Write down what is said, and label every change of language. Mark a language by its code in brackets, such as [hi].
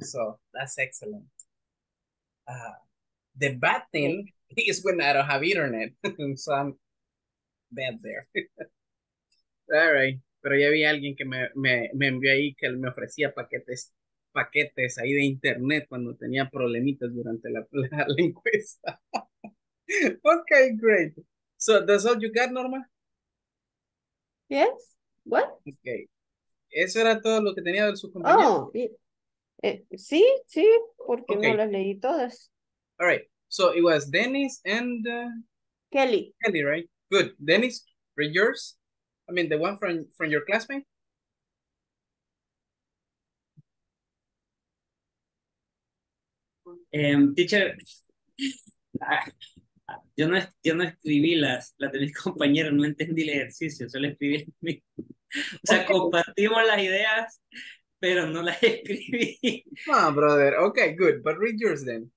[en] So that's excellent. The bad thing is when I don't have internet, so I'm bad there. All right. [es] Pero ya vi alguien que me envió ahí que me ofrecía paquetes ahí de internet cuando tenía problemitas durante la encuesta. [en] Okay, great. So that's all you got, Norma? Yes. What? Okay. [es] Eso era todo lo que tenía de su compañero. Oh, sí, porque okay. No las leí todas. [en] All right. So it was Dennis and Kelly. Kelly, right? Good. Dennis, read yours. I mean, the one from your classmate. [es] Teacher, yo no escribí las de mis compañeros, no entendí el ejercicio, solo escribí el mío. O sea, okay. Compartimos las ideas, pero no las escribí. [en] Ah, brother, okay, good, but read yours then.